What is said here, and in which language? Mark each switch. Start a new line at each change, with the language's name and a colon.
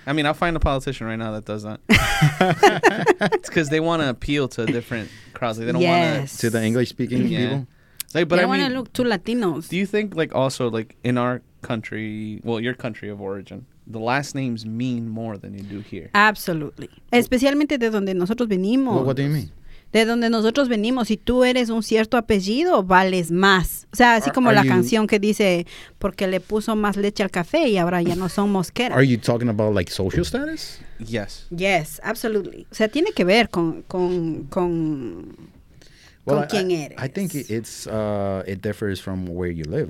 English: I mean, I'll find a politician right now that does that. It's because they want to appeal to a different crowds. Like, they don't want to the English speaking people. Like, but they want to look too Latinos. Do you think, like, also, like, in our country, well, your country of origin, the last names mean more than you do here? Absolutely.
Spanish: Especialmente de donde nosotros venimos.
English: Well, what do you mean?
Spanish: De donde nosotros venimos, si tú eres un cierto apellido, vales más. O sea, así como la canción que dice, porque le puso más leche al café y ahora ya no son mosqueras.
English: Are you talking about like social status? Yes. Yes, absolutely.
Spanish: O sea, tiene que ver con quién eres.
English: I think it differs from where you live.